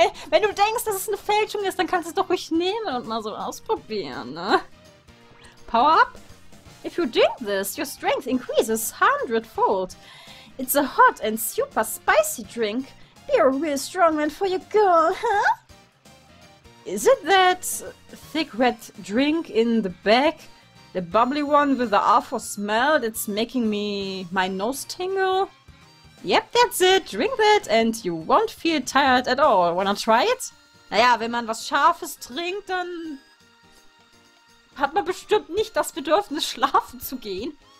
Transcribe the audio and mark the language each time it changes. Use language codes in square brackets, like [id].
[de] Wenn du denkst, dass es eine Fälschung ist, dann kannst du es doch ruhig nehmen und mal so ausprobieren, ne? [en] Power up? If you drink this, your strength increases 100-fold. It's a hot and super spicy drink. Be a real strongman for your girl, huh? Is it that thick red drink in the back? The bubbly one with the awful smell that's making me my nose tingle? Yep, that's it. Drink that and you won't feel tired at all. Wanna try it? [de] Naja, wenn man was Scharfes trinkt, dann hat man bestimmt nicht das Bedürfnis, schlafen zu gehen.